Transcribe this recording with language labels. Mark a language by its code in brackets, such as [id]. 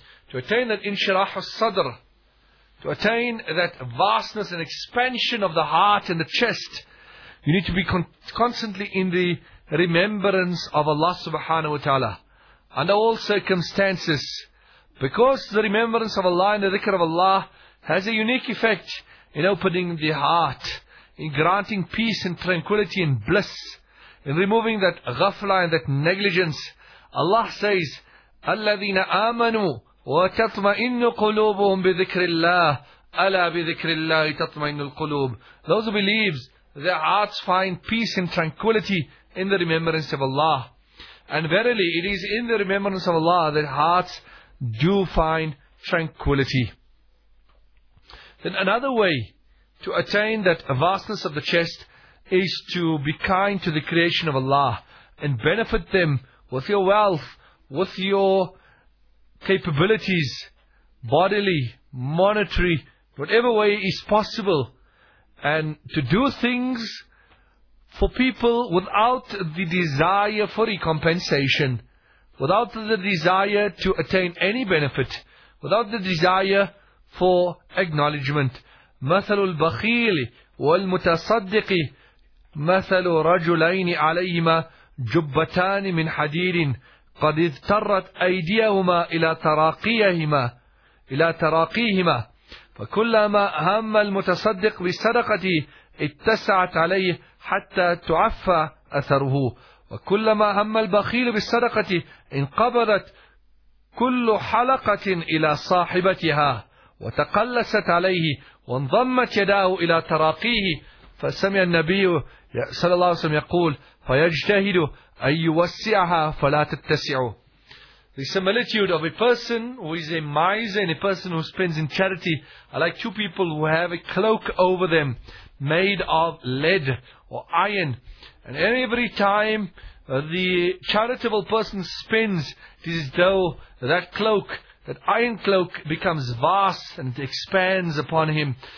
[en] To attain that inshirah al-sadr, to attain that vastness and expansion of the heart and the chest, you need to be constantly in the remembrance of Allah subhanahu wa ta'ala. Under all circumstances, because the remembrance of Allah and the dhikr of Allah has a unique effect in opening the heart, in granting peace and tranquility and bliss, in removing that ghafla and that negligence. Allah says, [ar] أَلَّذِينَ آمَنُوا وَتَطْمَئِنُّ قُلُوبُهُمْ بِذِكْرِ اللَّهِ أَلَا بِذِكْرِ اللَّهِ تَطْمَئِنُّ الْقُلُوبِ. [en] Those who believe, their hearts find peace and tranquility in the remembrance of Allah. And verily, it is in the remembrance of Allah that hearts do find tranquility. Then another way to attain that vastness of the chest is to be kind to the creation of Allah and benefit them with your wealth, with your capabilities, bodily, monetary, whatever way is possible. And to do things for people without the desire for recompensation, without the desire to attain any benefit, without the desire for acknowledgement. [ar] مثل البخيل والمتصدق مثل رجلين عليهما جبتان من حديد قد اضطرت أيديهما إلى تراقيهما إلى تراقيهما فكلما هم المتصدق بصدقته اتسعت عليه حتى تعفى أثره وكلما هم البخيل بالصدقة انقبضت كل حلقة إلى صاحبتها وتقلست عليه وانضمت يداه إلى تراقيه فسمع النبي صلى الله عليه وسلم يقول فيجتهد أن يوسعها فلا تتسع. [en] The similitude of a person who is a miser and a person who spends in charity are like two people who have a cloak over them made of lead or iron. And every time the charitable person spends, it is as though that cloak, that iron cloak, becomes vast and it expands upon him.